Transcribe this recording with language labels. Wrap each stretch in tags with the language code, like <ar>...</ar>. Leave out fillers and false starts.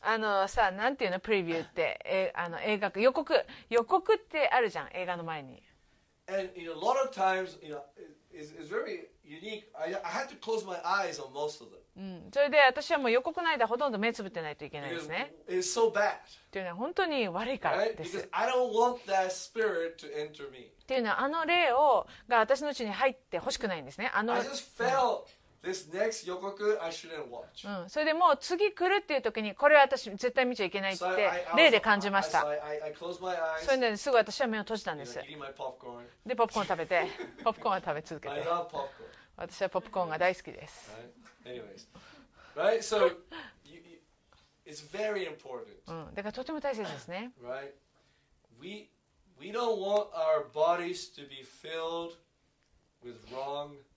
<ja>あのさ、なんていうの、プレビューって、あの映画予告、予告ってあるじゃん、映画の前に。</ja> <en>And you know, a lot of times, you know, it's very unique. I had to close my eyes on most of them.</en> <ja>それで私はもう予告の間ほとんど目つぶってないといけないですね。</ja> <en>It's so bad.</en> <ja>っていうのは本当に悪いからです。</ja> <en>Right? Because I don't want that spirit to enter me.</en> <ja>っていうのはあの霊をが私のうちに入ってほしくないんですね。あの。</ja> <en>I just felt. This next 予告 I shouldn't watch.</en> <ja>それでもう次来るっていう時にこれは私絶対見ちゃいけないって例で感じました。それですぐ私は目を閉じたんです。</ja> <en>eating my popcorn.</en> <ja>でポップコーン食べてポップコーンは食べ続けて</ja> <en>I love popcorn.</en> <ja>私はポップコーンが大好きです。</ja> <en>Right? So, it's very important.</en> <ja>だからとても大切ですね。</ja> <en>Right? We don't want our bodies to be filled with wrong</en>